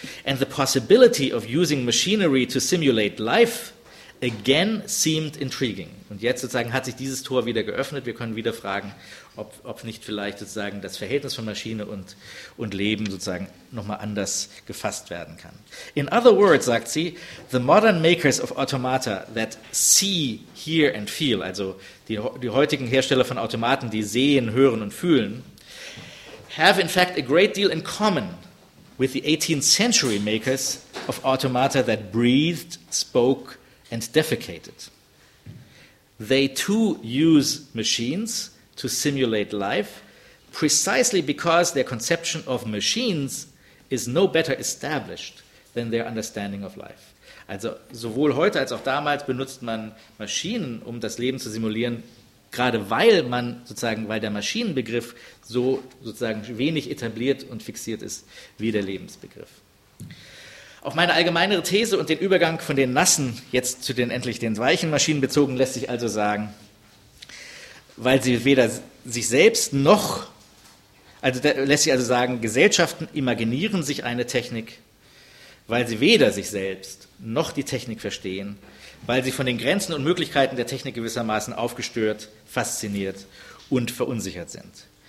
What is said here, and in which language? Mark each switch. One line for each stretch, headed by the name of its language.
English: And the possibility of using machinery to simulate life again seemed intriguing.
German: Und jetzt sozusagen hat sich dieses Tor wieder geöffnet. Wir können wieder fragen, ob nicht vielleicht sozusagen das Verhältnis von Maschine und Leben sozusagen nochmal anders gefasst werden kann.
English: In other words,
German: sagt sie,
English: the modern makers of automata that see, hear and feel,
German: also die heutigen Hersteller von Automaten, die sehen, hören und fühlen,
English: have in fact a great deal in common with the 18th century makers of automata that breathed, spoke and defecated. They too use machines to simulate life, precisely because their conception of machines is no better established than their understanding of life.
German: Also sowohl heute als auch damals benutzt man Maschinen, um das Leben zu simulieren, gerade weil man sozusagen, weil der Maschinenbegriff so sozusagen wenig etabliert und fixiert ist wie der Lebensbegriff. Auf meine allgemeinere These und den Übergang von den nassen jetzt zu den endlich den weichen Maschinen bezogen, lässt sich also sagen, weil sie weder sich selbst noch, also lässt sich also sagen, Gesellschaften imaginieren sich eine Technik, weil sie weder sich selbst noch die Technik verstehen, weil sie von den Grenzen und Möglichkeiten der Technik gewissermaßen aufgestört, fasziniert und verunsichert sind.